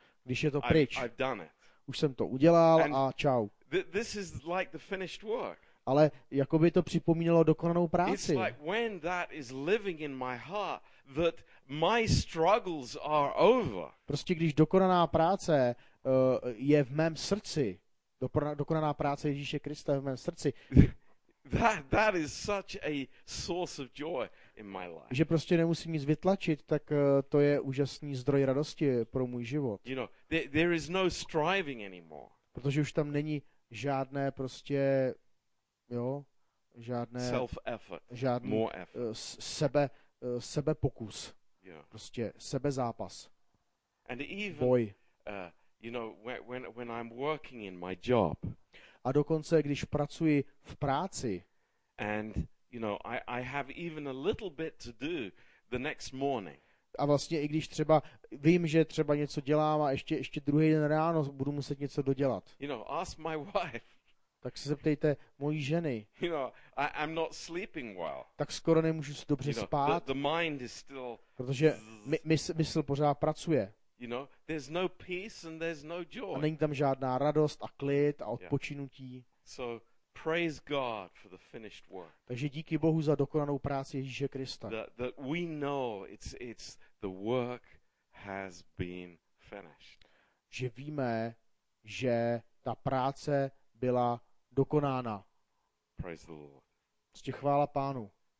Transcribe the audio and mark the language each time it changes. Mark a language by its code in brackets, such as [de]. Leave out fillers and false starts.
[cs] Když je to pryč. [en] I've done it. [cs] Už jsem to udělal a čau. [en] This is like the finished work. [cs] Ale jako by to připomínalo dokonanou práci. [en] It's like when that is living in my heart that my struggles are over. [cs] Prostě když dokonaná práce je v mém srdci, dokonaná práce Ježíše Krista je v mém srdci. [en] That is such a source of joy in my life. [cs] Že prostě nemusím nic vytlačit, tak to je úžasný zdroj radosti pro můj život. [en] You know, there is no striving anymore. [cs] Protože už tam není žádné prostě, jo, žádné [en] self-effort, [cs] žádný [en] more effort. [cs] Sebe pokus. [en] Yeah. [cs] Prostě sebe zápas. [en] And even [cs] boj. [en] You know, when I'm working in my job. [cs] A dokonce když pracuji v práci. [en] And you know, I have even a little bit to do the next morning. [cs] A vlastně i když třeba vím, že třeba něco dělám a ještě druhý den ráno budu muset něco dodělat. [en] You know, ask my wife. [cs] Tak se zeptejte mojí ženy. [en] You know, I'm not sleeping well. [cs] Tak skoro nemůžu si dobře spát. [en] The mind is still. [cs] Protože mysl pořád pracuje. [en] You know, there's no peace and there's no joy. [cs] A není tam žádná radost a klid a odpočinutí. [en] Yeah. So praise God for the finished work. [cs] Takže díky Bohu za dokonanou práci Ježíše Krista. [en] That we know it's the work has been finished. [cs] Že víme, že ta práce byla dokonána. [en] Praise the Lord. [cs] Prostě chvála Pánu.